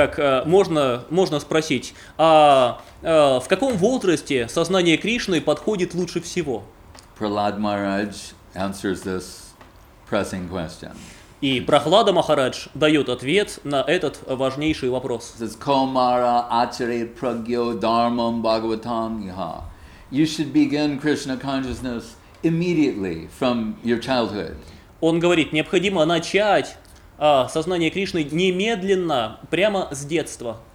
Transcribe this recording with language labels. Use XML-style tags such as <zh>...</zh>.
<ru>Так, можно спросить, в каком возрасте сознание Кришны подходит лучше всего?</ru> <en>Prahlad Maharaj answers this pressing question.</en> <ru>И Прохлада Махарадж дает ответ на этот важнейший вопрос.</ru> <sa>Комара ачари прагьо дармам бхагаватам йоха.</sa> <en>You should begin Krishna consciousness immediately from your childhood.</en> <ru>Он говорит, необходимо начать сознание Кришны немедленно, прямо с детства.</ru>